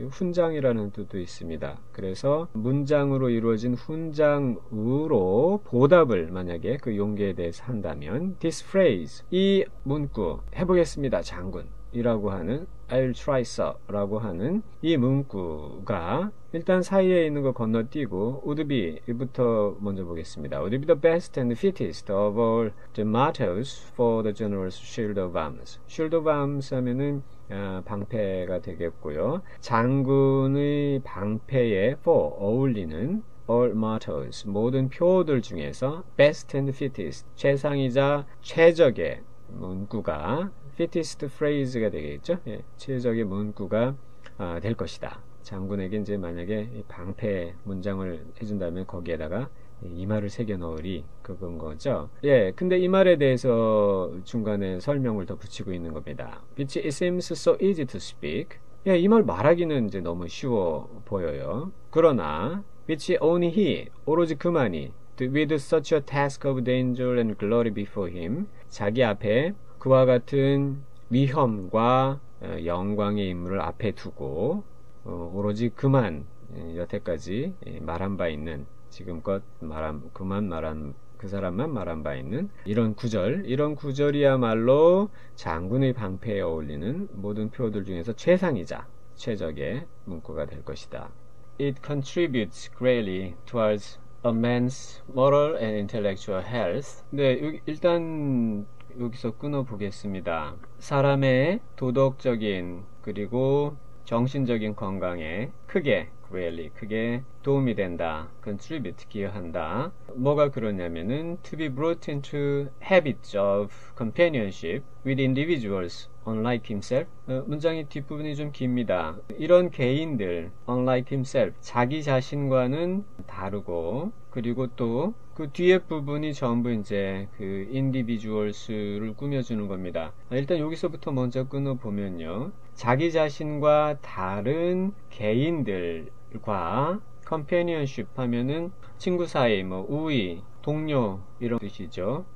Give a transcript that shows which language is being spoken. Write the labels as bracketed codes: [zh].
[ko] 훈장이라는 뜻도 있습니다. 그래서 문장으로 이루어진 훈장으로 보답을 만약에 그 용기에 대해서 한다면 [en] this phrase, [ko] 이 문구 해보겠습니다, 장군이라고 하는 [en] I'll try, sir [ko] 라고 하는 이 문구가 일단 사이에 있는 거 건너뛰고 would be부터 먼저 보겠습니다. [en] Would be the best and fittest of all the mottoes for the general's shield of arms. Shield of arms [ko] 하면은 방패가 되겠고요. 장군의 방패에 for 어울리는 [en] all mottoes [ko] 모든 표어들 중에서 [en] best and fittest [ko] 최상이자 최적의 문구가 [en] fittest phrase [ko] 가 되겠죠. 예, 최적의 문구가 될 것이다. 장군에게 이제 만약에 방패 문장을 해준다면 거기에다가 이 말을 새겨 넣으리 그건 거죠. 예, 근데 이 말에 대해서 중간에 설명을 더 붙이고 있는 겁니다. [en] Which it seems so easy to speak. [ko] 예, 이말 말하기는 이제 너무 쉬워 보여요. 그러나 [en] which only he [ko] 오로지 그만이 [en] with such a task of danger and glory before him [ko] 자기 앞에 그와 같은 위험과 영광의 임무를 앞에 두고 오로지 그만 여태까지 말한 바 있는 지금껏 말한 그만 말한 그 사람만 말한 바 있는 이런 구절 이런 구절이야말로 장군의 방패에 어울리는 모든 표어들 중에서 최상이자 최적의 문구가 될 것이다. [en] It contributes greatly towards a man's moral and intellectual health. [ko] 네, 일단 여기서 끊어보겠습니다. 사람의 도덕적인 그리고 정신적인 건강에 크게, [en] really [ko] 크게 도움이 된다. contribute, 기여한다. 뭐가 그러냐면은 [en] to be brought into habits of companionship with individuals unlike himself. [ko] 문장의 뒷부분이 좀 깁니다. 이런 개인들, [en] unlike himself, [ko] 자기 자신과는 다르고, 그리고 또 그 뒤에 부분이 전부 이제 그 individuals를 꾸며주는 겁니다. 일단 여기서부터 먼저 끊어보면요. 자기 자신과 다른 개인들과 companionship 하면은 친구 사이, 뭐 우위, 동료 이런 뜻이죠.